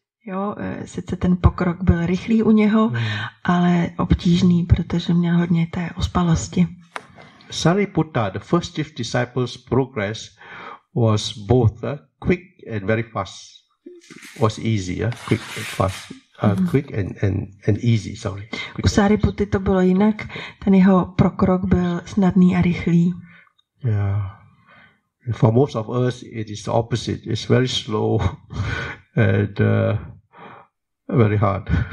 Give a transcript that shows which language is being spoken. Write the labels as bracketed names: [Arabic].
[Czech] Jo, sice ten pokrok byl rychlý u něho, ale obtížný, protože měl hodně té ospalosti. [English] Sariputta, the first chief disciple's progress was both quick and very fast. Was easy, quick and fast. Quick and easy, sorry. [Czech] U Sariputty to bylo jinak, ten jeho prokrok byl snadný a rychlý. [English] Yeah. For most of us, it is the opposite. It's very slow and very hard.